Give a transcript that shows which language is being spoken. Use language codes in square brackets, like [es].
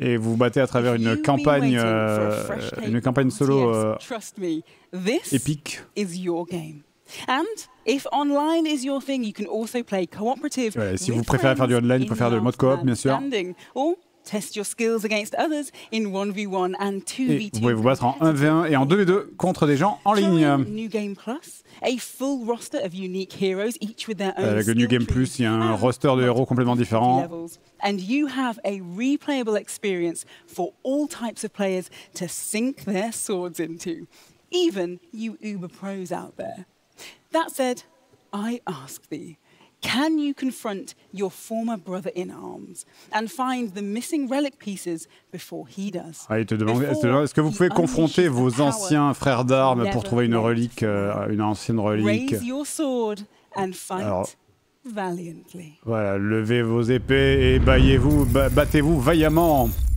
[fr] Et vous vous battez à travers une campagne solo épique. [en] Is your game. And if online is your thing, you can also play cooperative. [fr] Ouais, si vous préférez faire du online, vous pouvez faire du mode coop, bien sûr. [en] Or test your skills against others in 1v1 and 2v2. [fr] Vous pouvez vous battre en 1v1 et en 2v2 contre des gens en ligne. [en] New Game Plus, a full roster of unique heroes, each with their own. [fr] Avec New Game Plus, il y a un roster de héros complètement différent. [en] And you have a replayable experience for all types of players to sink their swords into, even you Uber pros out there. That said, I ask thee, can you confront your former brother in arms and find the missing relic pieces before he does? [fr] Ah, il te demande, est-ce que vous pouvez confronter vos anciens frères d'armes pour trouver une relique, une ancienne relique? [en] Raise your sword and fight. [fr] Alors, [en] valiantly. [fr] Voilà, levez vos épées et battez-vous vaillamment.